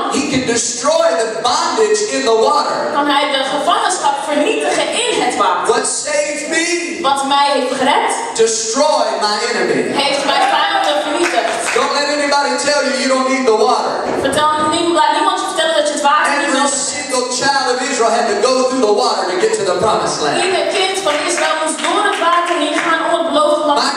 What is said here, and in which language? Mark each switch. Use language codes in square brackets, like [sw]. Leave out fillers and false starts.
[en] he can destroy the bondage in the water. [nl] Kan hij de gevangenschap vernietigen in het water. [en] What saved me? [nl] Wat mij heeft gered. [en] Destroy my enemy. [nl] Heeft mijn vijanden vernietigd. [en] Don't let anybody tell you you don't need the water. [nl] Laat niemand vertellen dat je het water niet nodig hebt. [en] Every single child of Israel had to go through the water to get to the promised land. [nl] Ieder kind van Israël moest door het water heen gaan om het beloofde land te